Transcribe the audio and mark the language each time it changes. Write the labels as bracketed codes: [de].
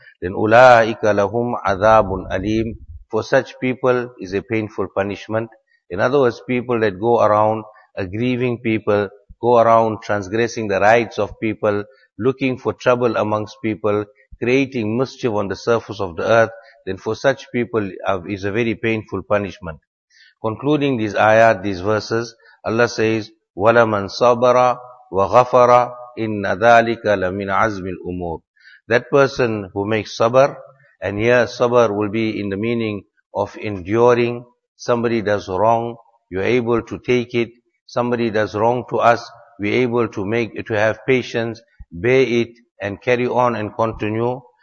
[en] Then [ar] أُولَٰئِكَ لَهُمْ عَذَابٌ أَلِيمٌ. [en] For such people is a painful punishment. In other words, people that go around aggrieving people, go around transgressing the rights of people, looking for trouble amongst people, creating mischief on the surface of the earth, then for such people is a very painful punishment. Concluding these ayat, these verses, Allah says, [ar] وَلَمَنْ صَبَرَ وَغَفَرَ إِنَّ ذَٰلِكَ لَمِنْ عَزْمِ الْأُمُورِ. [en] That person who makes sabr, and here sabr will be in the meaning of enduring, somebody does wrong, you're able to take it, somebody does wrong to us, we're able to make, to have patience, bear it, and carry on and continue.